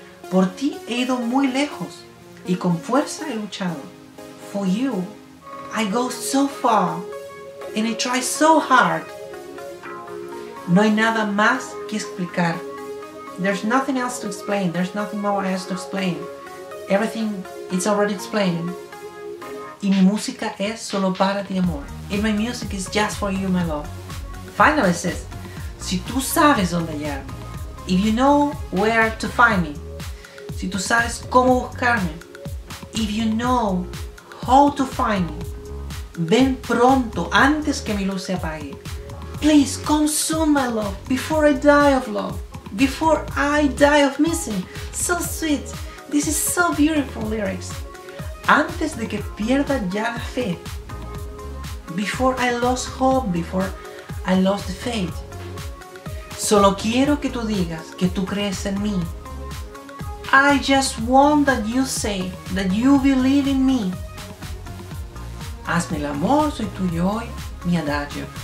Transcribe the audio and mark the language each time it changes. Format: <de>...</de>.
<es>Por ti he ido muy lejos y con fuerza he luchado.</es> <en>For you, I go so far and I try so hard.</en> <es>No hay nada más que explicar.</es> <en>There's nothing else to explain. There's nothing more I have to explain. Everything is already explained.</en> <es>Y mi música es solo para ti, amor.</es> <en>And my music is just for you, my love. Finally, it says,</en> <es>si tú sabes dónde hallarme,</es> <en>if you know where to find me,</en> <es>si tú sabes cómo buscarme,</es> <en>if you know how to find me,</en> <es>ven pronto antes que mi luz se apague.</es> <en>Please come soon, my love, before I die of love, before I die of missing. So sweet, this is so beautiful lyrics.</en> <es>Antes de que pierda ya la fe,</es> <en>before I lost hope, before I lost the faith.</en> <es>Solo quiero que tú digas que tú crees en mí.</es> <en>I just want that you say that you believe in me.</en> <es>Hazme el amor, soy tuyo hoy, mi adagio.</es>